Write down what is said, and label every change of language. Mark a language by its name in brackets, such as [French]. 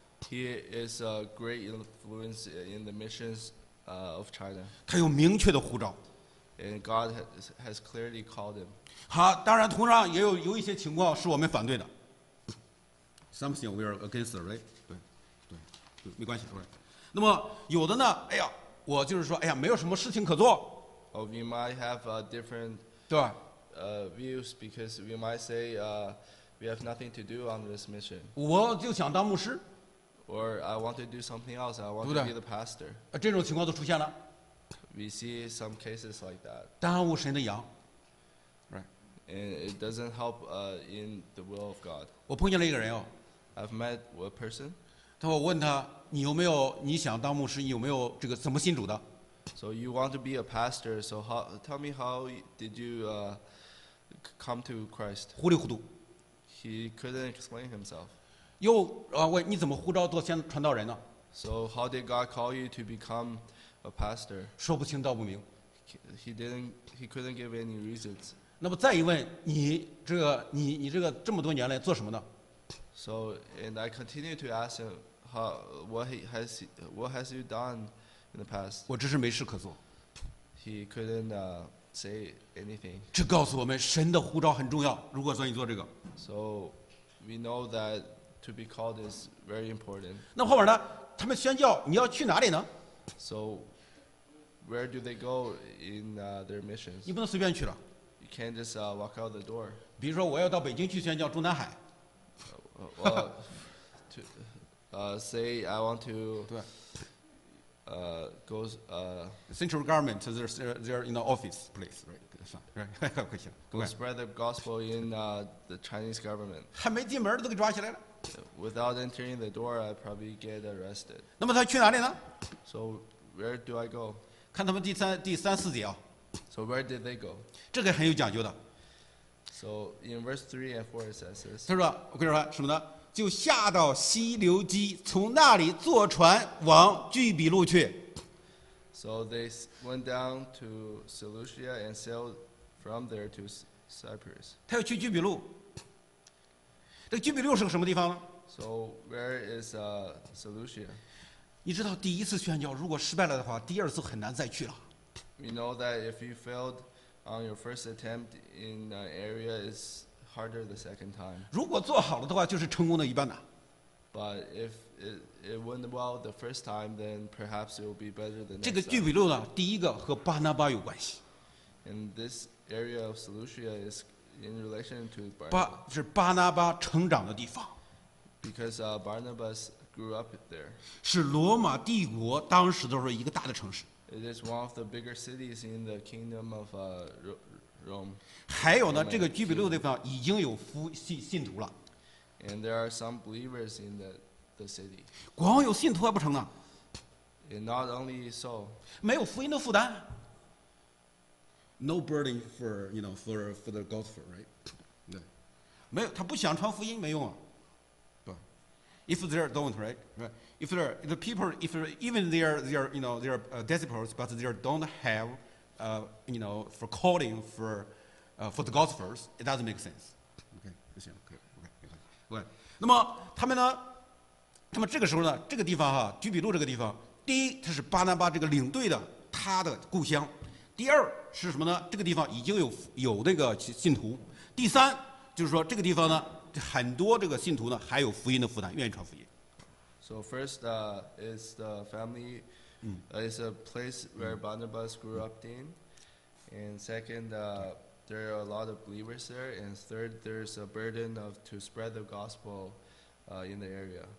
[English] He is a great influence in the missions of China. [Chinese] 他有明确的护照。 [English] And God has clearly called him. [Chinese] 好，当然，同样也有一些情况是我们反对的。 [English] Something we are against, right? [Chinese] 对，没关系，对。那么有的呢，哎呀，我就是说，哎呀，没有什么事情可做。 [English] Oh, we might have a different, [Chinese] 对吧？ [English] Views because we might say, we have nothing to do on this mission. [Chinese] 我就想当牧师。 [English] Or I want to do something else. I want to be the pastor. [Chinese] 这种情况都出现了。 [English] We see some cases like that. [Chinese] 耽误神的羊 ，right? [English] And it doesn't help in the will of God. [Chinese] 我碰见了一个人哦。 [English] I've met a person. [Chinese] 他我问他，你有没有你想当牧师？你有没有这个怎么信主的 [English] ？So you want to be a pastor? So how? Tell me how did you come to Christ? [Chinese] 糊里糊涂。 [English] He couldn't explain himself. [Chinese] 又问你怎么呼召做先传道人呢 [English] ？So how did God call you to become? A pastor. [Chinese] 说不清道不明。 [English] He couldn't give any reasons. [Chinese] 那么再一问，你这个这么多年来做什么呢 [English] ？So and I continue to ask him what has you done in the past. [Chinese] 我只是没事可做。 [English] He couldn't say anything. [Chinese] 这告诉我们，神的呼召很重要。如果说你做这个 [English] ，So we know that to be called is very important. [Chinese] 那后面呢？他们宣教，你要去哪里呢？ [English] So, where do they go in their missions? [Chinese] 你不能随便去了。 [English] You can't just walk out the door. [Chinese] 比如说，我要到北京去宣教中南海。 [English] Say I want to. [Chinese] 对。 [English] Go central government. They're in the office place, right? Right. Go spread the gospel in the Chinese government. [Chinese] 还没进门都给抓起来了。 [English] Without entering the door, I'd probably get arrested. [Chinese] 那么他去哪里呢 [English] ？So where do I go? [Chinese] 看他们第三四节啊。 [English] So where did they go? [Chinese] 这个很有讲究的。 [English] So in verse 3 and 4 it says this. [Chinese] 他说：“我跟你说什么呢？就下到西流基，从那里坐船往居比路去。 [English] ”So they went down to Seleucia and sailed from there to Cyprus. [Chinese] 他要去居比路。这个居比路是个什么地方呢 [English] ？So where is Seleucia? [Chinese] 你知道第一次宣教如果失败了的话，第二次很难再去了。 [English] We know that if you failed on your first attempt in an area, it's harder the second time. [Chinese] 如果做好了的话，就是成功的一半呐。 [English] But if it went well the first time, then perhaps it will be better than. [Chinese] 这个具比路呢，第一个和巴拿巴有关系。 [English] And this area of Seleucia is in relation to Barnabas. [Chinese] 是巴拿巴成长的地方。 [English] Because Barnabas grew up there. [Chinese] 是罗马帝国当时的时候一个大的城市。 [English] It is one of the bigger cities in the kingdom of Rome. [Chinese] 还有呢，这个居比路的地方已经有信徒了。 [English] And there are some believers in the city. [Chinese] 光有信徒还不成呢。 [English] And not only so. [Chinese] 没有福音的负担。 [English] No burden for the gospel, right? [Chinese] 对。没有，他不想传福音没用啊。不。 [English] If they don't, right? If they're the people, if even they are disciples, but they don't have, for calling for the gospels, it doesn't make sense. Okay, 行 ，OK。 [Chinese] 那么他们呢？那么这个时候呢？这个地方哈，居比路这个地方，第一，它是巴拿巴这个领队的他的故乡；第二是什么呢？这个地方已经有那个信徒；第三就是说，这个地方呢，很多这个信徒呢，还有福音的负担，愿意传福音。 [English] So first, is the family, is a place where Barnabas grew up in, and second, there are a lot of believers there. And third, there's a burden of to spread the gospel, in the area.